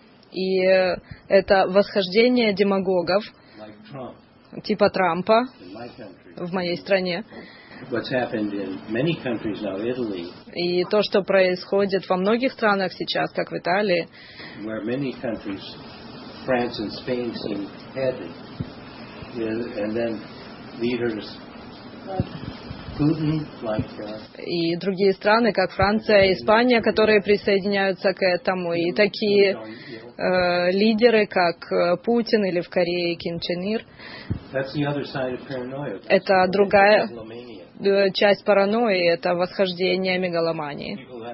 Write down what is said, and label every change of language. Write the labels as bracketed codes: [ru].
[ru] И это восхождение демагогов, типа Трампа, в моей стране. [en] what's happened in many countries now, Italy. [ru] И то, что происходит во многих странах сейчас, как в Италии. [en] Where many countries, France and Spain, seem headed, and then leaders. [ru] И другие страны, как Франция, Испания, которые присоединяются к этому, и такие лидеры, как Путин или в Корее Ким Чен Ир. Это другая часть паранойи, это восхождение мегаломании.